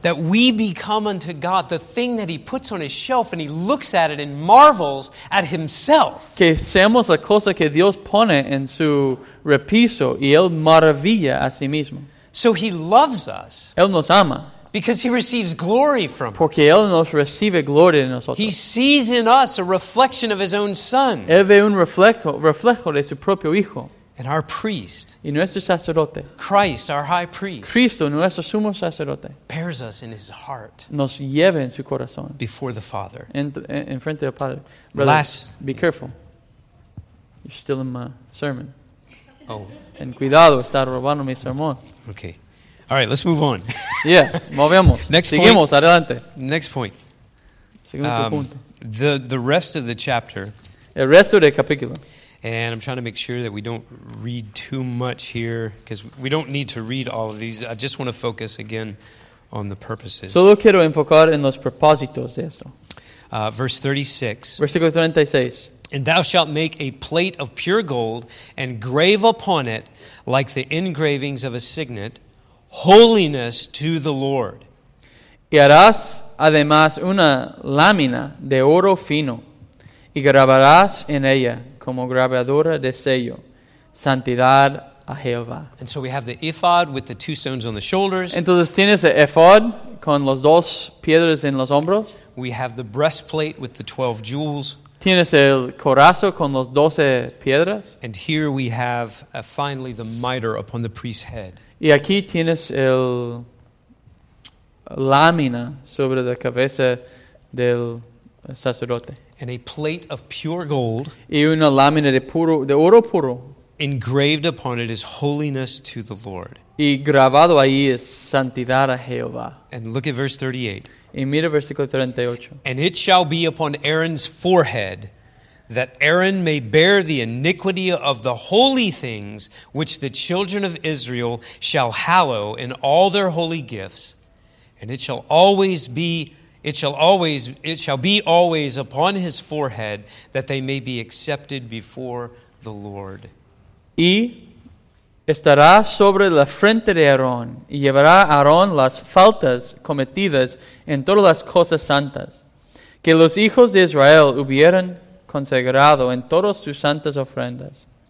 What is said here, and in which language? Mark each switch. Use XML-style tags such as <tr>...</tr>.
<en>That we become unto God the thing that He puts on His shelf and He looks at it and marvels at Himself.</en> <es>Que seamos la cosa que Dios pone en su repiso y Él maravilla a sí mismo.</es> <en>So He loves us.</en> <es>Él nos ama.</es> <en>Because He receives glory from</en> <es>porque</es> <en>us.</en> <es>Él nos recibe gloria de nosotros.</es> <en>He sees in us a reflection of His own Son.</en> <es>Él ve un reflejo de su propio hijo.</es> <en>And our priest.</en> <es>Y nuestro sacerdote.</es> <en>Christ, our high priest.</en> <es>Cristo, nuestro sumo sacerdote.</es> <en>Bears us in His heart.</en> <es>Nos lleva en su corazón.</es> <en>Before the Father.</en> <es>En frente del Padre.</es> <en>Brother, last. Be careful. You're still in my sermon. Oh.</en> <es>En cuidado, está robando mi sermón.</es> <en>Okay. All right, let's move on.</en> <es>Yeah, movemos.</es> <en>Next</en> <es>seguimos,</es> <en>point.</en> <es>Adelante.</es> <en>Next point.</en> <es>Punto.</es> <en>The rest of the chapter.</en> <es>El resto del capítulo.</es> <en>And I'm trying to make sure that we don't read too much here, because we don't need to read all of these. I just want to focus again on the purposes.</en> <es>Solo quiero enfocar en los propósitos de esto.</es> <en>Verse 36.</en> <es>Versículo 36.</es> <en>And thou shalt make a plate of pure gold and grave upon it like the engravings of a signet. Holiness to the Lord.</en> <es>Y harás además una lámina de oro fino, y grabarás en ella como grabadora de sello, santidad a Jehová.</es> <en>And so we have the ephod with the two stones on the shoulders.</en> <es>Entonces tienes el ephod con los dos piedras en los hombros.</es> <en>We have the breastplate with the 12 jewels.</en> <es>Tienes el corazón con los 12 piedras.</es> <en>And here we have finally the mitre upon the priest's head.</en> <es>Y aquí tienes el lámina sobre la cabeza del sacerdote.</es> <en>And a plate of pure gold.</en> <es>Y una lámina de oro puro.</es> <en>Engraved upon it is holiness to the Lord.</en> <es>Y grabado ahí es santidad a Jehová.</es> <en>And look at verse 38.</en> <es>Y mira versículo 38.</es> <en>And it shall be upon Aaron's forehead. That Aaron may bear the iniquity of the holy things which the children of Israel shall hallow in all their holy gifts, and it shall always be upon his forehead that they may be accepted before the Lord.</en> <es>Y estará sobre la frente de Aarón, y llevará Aarón las faltas cometidas en todas las cosas santas que los hijos de Israel hubieran consagrado en todas sus santas ofrendas.</es>